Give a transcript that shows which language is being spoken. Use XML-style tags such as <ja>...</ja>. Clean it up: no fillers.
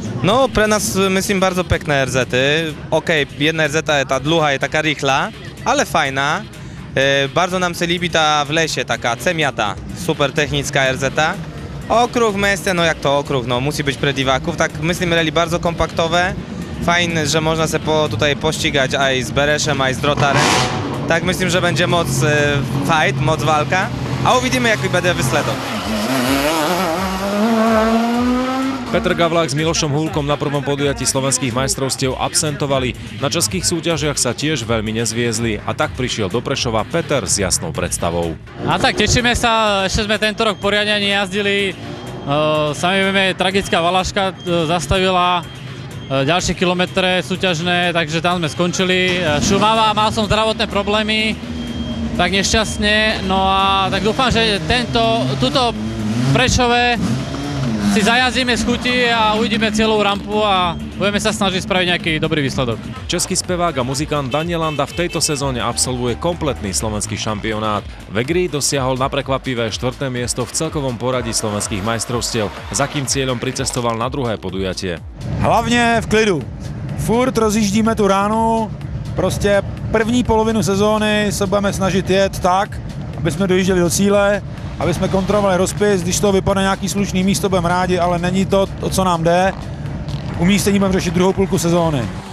<sk>No, pre nás myslím bardzo pekné RZ-y. OK, jedna RZ-a je tá dlhá, je taká rýchla, ale fajná. Bardzo nám sa líbi tá v lesie, taká cemiata, super technická RZ-a. Okruh v meste, no jak to okruh, no musí byť pre diváków, tak myslím rally</sk> <pl>bardzo kompaktowe. Fajne, že można se tutaj pościgać aj z Bereszem, aj z Drotarem. Tak myslím, že będzie moc fight, moc walka.</pl> <sk>A uvidíme, jaký bude výsledok. Petr Gavlák s Milošom Hulkom na prvom podujatí slovenských majstrovstiev absentovali, na českých súťažiach sa tiež veľmi nezviezli a tak prišiel do Prešova Peter s jasnou predstavou. A tak tešíme sa, ešte sme tento rok poriadne ani jazdili, sami vieme, tragická valaška zastavila ďalšie kilometre súťažné, takže tam sme skončili. Šumava, mal som zdravotné problémy, tak nešťastne, no a tak dúfam, že tento, tuto Prešove si zajazdíme z chuti a uvidíme cieľovú rampu a budeme sa snažiť spraviť nejaký dobrý výsledok. Český spevák a muzikant Daniel Landa v tejto sezóne absolvuje kompletný slovenský šampionát. V Egri dosiahol na prekvapivé 4. miesto v celkovom poradí slovenských majstrovstiev, za kým cieľom pricestoval na druhé podujatie.</sk> <cs>Hlavne v klidu. Furt rozjíždíme tu ránu, proste první polovinu sezóny</cs> <sk>sa budeme snažiť</sk> <cs>jet tak, aby sme dojížděli do cíle. Aby jsme kontrolovali rozpis, když to vypadne nějaký slušný místo, budeme rádi, ale není to, o co nám jde. Umístění budeme řešit druhou půlku sezóny.</cs>